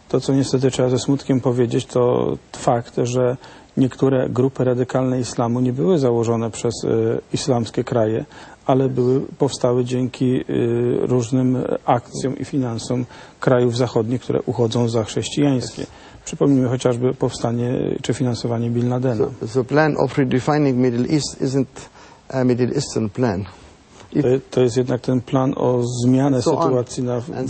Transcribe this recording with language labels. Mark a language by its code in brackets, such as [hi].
[pl] To, co niestety trzeba ze smutkiem powiedzieć, to fakt, że niektóre grupy radykalne islamu nie były założone przez islamskie kraje, ale powstały dzięki różnym akcjom i finansom krajów zachodnich, które uchodzą za chrześcijańskie. Przypomnijmy chociażby powstanie czy finansowanie Bin Ladena. [en] The plan of redefining Middle East isn't a Middle Eastern plan. [pl] To jest jednak ten plan o zmianę sytuacji na